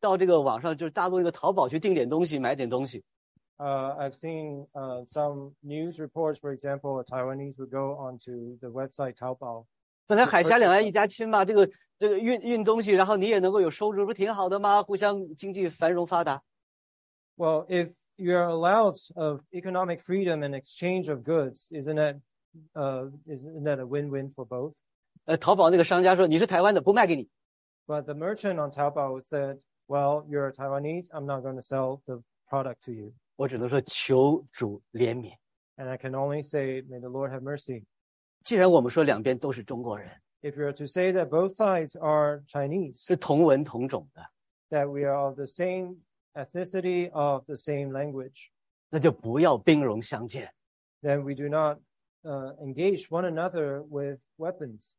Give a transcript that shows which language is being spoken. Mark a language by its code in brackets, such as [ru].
[zh] 我就看到网络上有个人讲，是台湾人到这个网上就是大陆那个淘宝去订点东西，买点东西。 [en] I've seen some news reports, for example, a Taiwanese would go onto the website Taobao. [zh] 本来海峡两岸一家亲嘛, 这个运东西, 然后你也能够有收入, 不挺好的吗? 互相经济繁荣发达。 [en] Well, if you are allowed of economic freedom and exchange of goods, isn't that a win-win for both? [zh] 淘宝那个商家说, 你是台湾的, [en] but the merchant on Taobao said, well, you're a Taiwanese, I'm not going to sell the product to you. [zh] 我只能说求主怜悯。 [en] And I can only say, may the Lord have mercy. [zh] 既然我们说两边都是中国人。 [en] If you are to say that both sides are Chinese. [zh] 是同文同种的。 [en] That we are of the same ethnicity, of the same language. [zh] 那就不要兵戎相见。 [en] Then we do not engage one another with weapons.